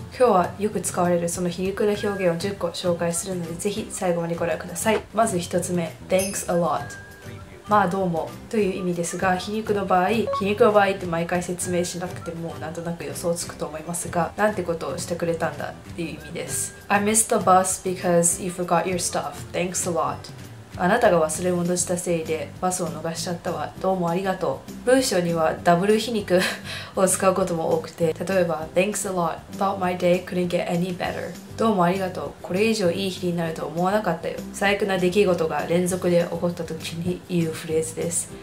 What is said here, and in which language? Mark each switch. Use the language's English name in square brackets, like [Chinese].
[Japanese] 今日はよく使われるその皮肉な表現を10個紹介するので、ぜひ最後までご覧ください。まず1つ目、 [English] Thanks a lot、 [Japanese] まあどうもという意味ですが、皮肉の場合って毎回説明しなくてもなんとなく予想つくと思いますが、なんてことをしてくれたんだっていう意味です。 [English] I missed the bus because you forgot your stuff. Thanks a lot。 [Japanese] あなたが忘れ物したせいでバスを逃しちゃったわ、どうもありがとう。文章にはダブル皮肉を使うことも多くて、例えば [English] Thanks a lot, thought my day couldn't get any better。 [Japanese] どうもありがとう、これ以上いい日になると思わなかったよ。最悪な出来事が連続で起こった時に言うフレーズです。